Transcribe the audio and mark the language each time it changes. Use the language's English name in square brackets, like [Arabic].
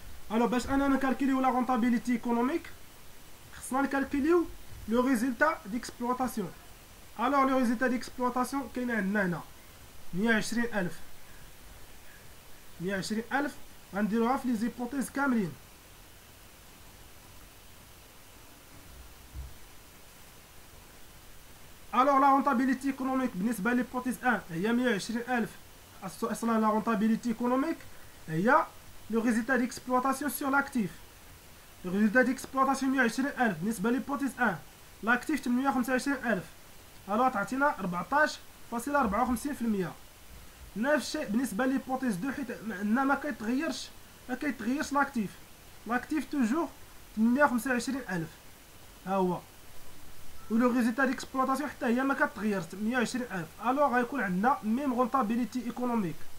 [French] Alors, [Arabic] باش انا نكالكليو [French] la rentabilité économique, [Arabic] خصنا نكالكليو [French] le résultat d'exploitation. Alors, le résultat d'exploitation, [Arabic] كاين عندنا هنا [French] 120000. [Arabic] 120000, غنديروها في les hypothèses كاملين. [French] Alors la rentabilité économique, بالنسبه l'hypothèse 1, هي 120000. اصلا la rentabilité économique, هي le résultat d'exploitation sur l'actif. Le résultat d'exploitation 120000, بالنسبه l'hypothèse 1, l'actif 825000. [Arabic] Alors تعطينا 14.54%. نفس الشيء بالنسبه l'hypothèse 2, حيت ما كيتغيرش l'actif. [French] L'actif toujours 825000. ها هو. Ou le résultat d'exploitation est un peu plus grand, 120000. Alors, on a la même rentabilité économique.